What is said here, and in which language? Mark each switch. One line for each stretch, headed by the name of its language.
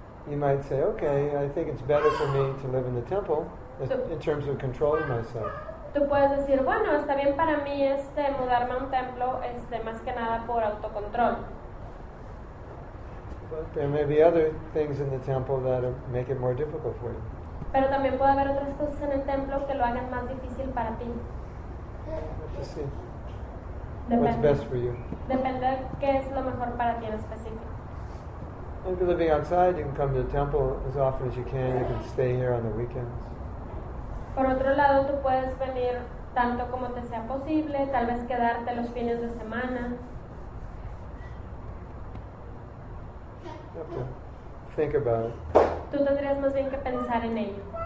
English: You might say, okay, I think it's better for me to live in the temple in terms of controlling myself.
Spanish: Tú puedes decir, bueno, está bien para mí mudarme a un templo más que nada por autocontrol.
English: But there may be other things in the temple that make it more difficult for you.
Spanish: Pero también puede haber otras cosas en el templo que lo hagan más difícil para ti.
English: Let's see.
Spanish: Depende.
English: What's best for you?
Spanish: Depende qué es lo mejor para ti en específico.
English: If you're living outside, you can come to the temple as often as you can. You can stay here on the weekends.
Spanish: Por otro lado, tú puedes venir tanto como te sea posible, tal vez quedarte los fines de semana.
English: Think about it.
Spanish: Tú tendrías más bien que pensar en ello.